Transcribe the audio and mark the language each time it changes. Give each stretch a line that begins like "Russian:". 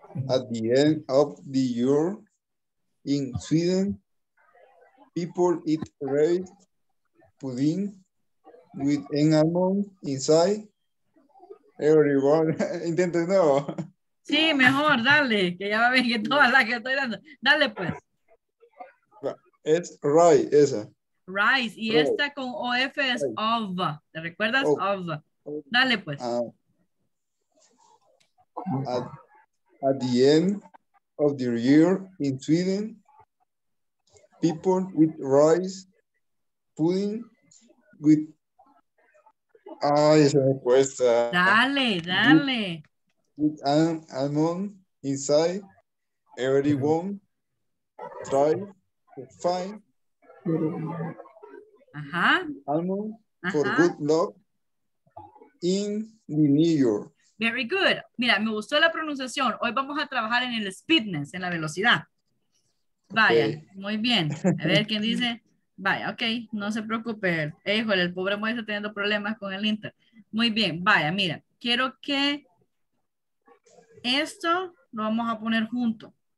English: At the end of the year in Sweden, people eat rice pudding with an almond inside.
Spanish: Intenta de nuevo. Sí, mejor, dale, que ya va a ver que todas las que estoy dando. Dale pues.
English: It's rice, esa.
Spanish: Rice, y esta con OF es of. ¿Te recuerdas? Of. Dale pues.
English: At the end of the year in Sweden, people eat rice pudding with.
Spanish: Ay, esa respuesta. Dale.
English: With an almond inside, everyone try to find. Ajá. Almond for good luck in the New York. Very good.
Spanish: Mira, me gustó la pronunciación. Hoy vamos a trabajar en el speedness, en la velocidad. Vaya, okay. Muy bien. A ver quién dice. Vaya, ok, no se preocupe. Híjole, el pobre Moisés está teniendo problemas con el inter. Muy bien, vaya, mira. Quiero que esto lo vamos a poner junto.